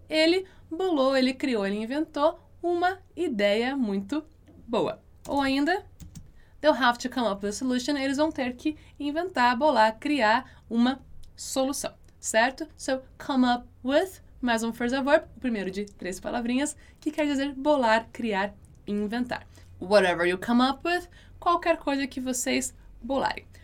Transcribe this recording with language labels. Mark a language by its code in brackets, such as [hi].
[pt] Ele bolou, ele criou, ele inventou uma ideia muito boa. Ou ainda, [en] they'll have to come up with a solution. [pt] Eles vão ter que inventar, bolar, criar uma solução, certo? So, come up with, mais um phrasal verb, o primeiro de três palavrinhas, que quer dizer bolar, criar, inventar. [en] Whatever you come up with, [pt] qualquer coisa que vocês bolarem.